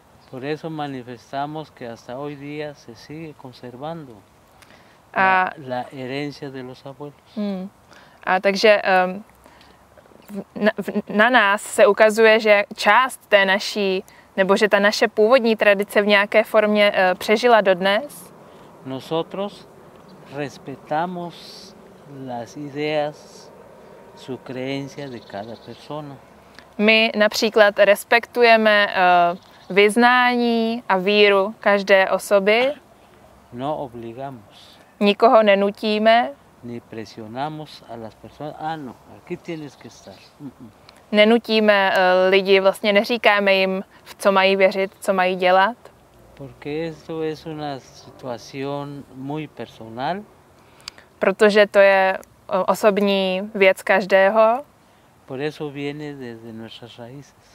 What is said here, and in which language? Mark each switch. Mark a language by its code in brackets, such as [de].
[es] Por eso manifestamos que hasta hoy día se sigue conservando la herencia de los abuelos. [cs] A takže na nás se ukazuje, že část té naší nebo že ta naše původní tradice v nějaké formě přežila dodnes. [es] Nosotros respetamos las ideas, su creencia de cada persona. [cs] My například respektujeme vyznání a víru každé osoby. [es] No obligamos. [cs] Nikoho nenutíme. [es] Ni presionamos a las personas. Ah, no, aquí tienes que estar. [cs] Nenutíme lidi, vlastně neříkáme jim, v co mají věřit, co mají dělat. [es] Porque esto es una situación muy personal. [cs] Protože to je osobní věc každého. [es] Por eso viene desde nuestras raíces.